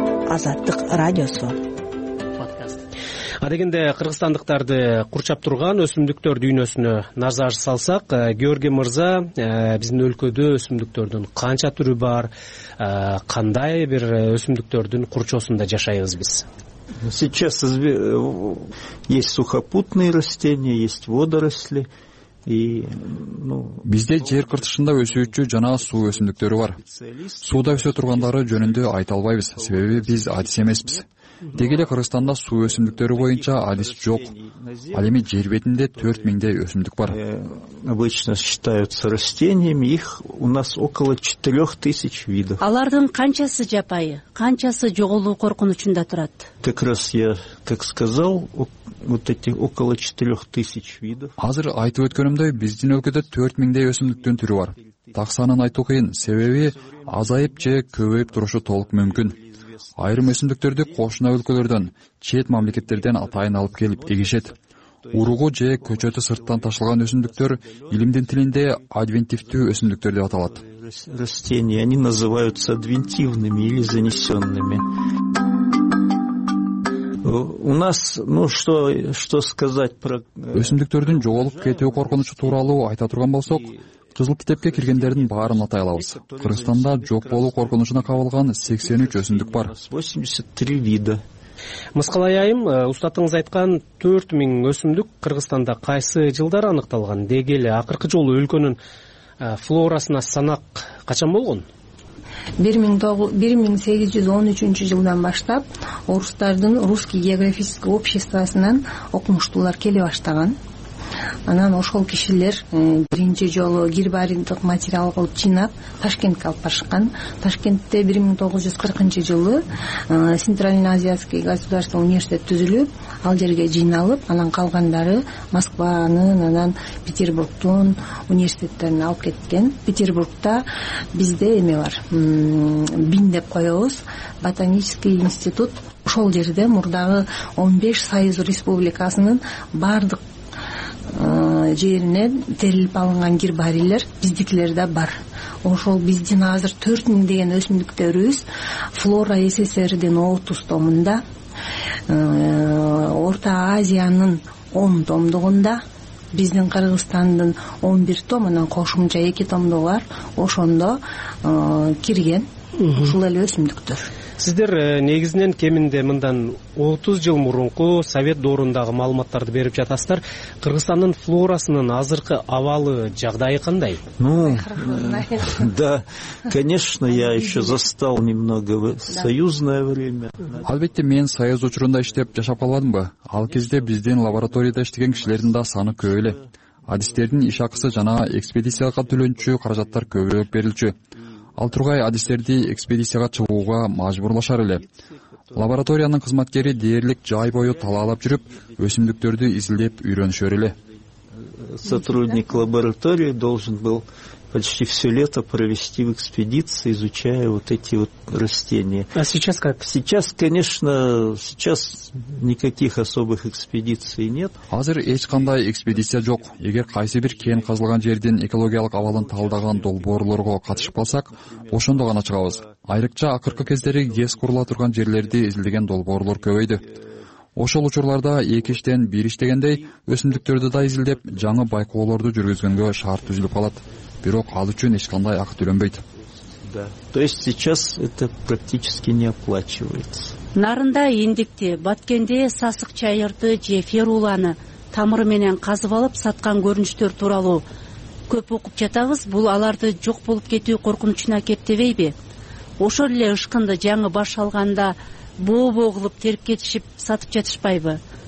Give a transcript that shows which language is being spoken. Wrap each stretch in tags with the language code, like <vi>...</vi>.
<ky>Азаттык радиосу. Адегенде кыргызстандыктарды курчап турган өсүмдүктөр дүйнөсүнө назар салсак, Георгий мырза, биздин өлкөдө өсүмдүктөрдүн канча түрү бар, кандай бир өсүмдүктөрдүн курчоосунда жашайбыз биз?</ky> <ru>Сейчас есть сухопутные растения, есть водоросли,</ru> <ky>Бизде жер кыртышында өсүүчү жана суу өсүмдүктөрү бар. Сууда өсө тургандары жөнүндө айта албайбыз, себеби биз адис эмеспиз. Деги эле Кыргызстанда суу өсүмдүктөрү боюнча адис жок. Ал эми жер бетинде 4000 өсүмдүк бар.</ky> <ru>Обычно считаются растениями, их у нас около 4000 видов.</ru> <ky>Алардын канчасы жапайы, канчасы жоголуу коркунучунда турат?</ky> <ru>Как раз я так сказал, вот эти около 4000 видов.</ru> <ky>Азыр айтып өткөнүмдөй, биздин өлкөдө 4000 өсүмдүктүн түрү бар. Так санын айтуу кыйын, себеби азайып же көбөйүп турушу толук мүмкүн. Айрым өсүмдүктөрдү кошуна өлкөлөрдөн, чет мамлекеттерден атайын алып келип эгишет. Уругу же көчөтү сырттан ташылган өсүмдүктөр илимдин тилинде адвентивдүү өсүмдүктөр деп аталат.</ky> <ru>Растения, они называются адвентивными или занесёнными. У нас, что сказать про</ru> <ky>өсүмдүктөрдүн жоголуп кетүү коркунучу тууралуу айта турган болсок, кызыл китепке киргендердин баарын атай алабыз. Кыргызстанда жок болуу коркунучуна кабылган 83 өсүмдүк бар.</ky> <ru>83 вида.</ru> <ky>Мыскал айайым, устатыңыз айткан 4000 өсүмдүк Кыргызстанда кайсы жылдар аныкталган? Деги эле акыркы жолу өлкөнүн флорасына санак качан болгон? 1813 жылдан баштап орустардын Русский географический обществосунан окумуштуулар келе баштаган. Анан ошол кишилер биринчи жолу гербарийдик материал кылып жыйнап Ташкентке алып барышкан. Ташкентте 1940 жылы Центральный Азиатский государственный университет түзүлүп, ал жерге жыйналып, анан калгандары Москванын, анан Петербургтун университеттерине алып кеткен. Петербургта бизде эме бар. Бин деп коебуз,</ky> <ru>ботанический институт.</ru> <ky>Ошол жерде мурдагы 15 союз республикасынын бардык жерине терилип алынган гербарийлер биздикилерде бар. Ошол биздин азыр 4000 деген өсүмдүктөрүбүз Флора СССРдин 30 томунда, Орто Азиянын 10 томдугунда, биздин Кыргызстандын 11 томунан кошумча 2 томдугу бар. Ошондо кирген ушул эле өсүмдүктөр. Сиздер негизинен кеминде мындан 30 жыл мурунку совет доорундагы маалыматтарды берип жатасыздар. Кыргызстандын флорасынын азыркы абалы, жагдайы кандай?</ky> <ru>Да, конечно, я еще застал немного союзное время.</ru> <ky>Албетте, мен союз учурунда иштеп жашап калганмын. Ал кезде биздин лабораторияда иштеген кишилердин да саны көп эле. Адистердин иш акысы жана экспедицияга төлөнчү каражаттар көбүрөөк берилчү. Ал тургай адистерди экспедицияга чыгууга мажбурлашар эле. Лабораториянын кызматкери дээрлик жай бою талаалап жүрүп, өсүмдүктөрдү изилдеп үйрөнүшөр эле.</ky> <ru>Сотрудник лаборатории должен был почти все лето провести в экспедиции, изучая вот эти вот растения. А сейчас как? Сейчас, конечно, сейчас никаких особых экспедиций нет.</ru> <ky>Азыр эч кандай экспедиция жок. Эгер кайсы бир кен казылган жердин экологиялык абалын талдаган долбоорлорго катышып алсак, ошондо гана чыгабыз. Айрыкча акыркы кездери ГЭС курула турган жерлерди изилдеген долбоорлор көбөйдү. Ошол учурларда эки иштен бир иштегендей өсүмдүктөрдү да изилдеп, жаңы байкоолорду жүргүзгөнгө шарт түзүлүп калат. Бирок ал үчүн эч кандай акы төлөнбөйт.</ky> <ru>Да. То есть сейчас это практически не оплачивается.</ru> <ky>Нарында индикти, баткенде сасык чайырды же феруланы тамыры менен казып алып саткан көрүнүштөр тууралуу көп окуп жатабыз. Бул аларды жок болуп кетүү коркунучуна кептебейби? Ошол эле ышкынды жаңы баш алганда боо-боо кылып терип кетишип сатып жатышпайбы?</ky>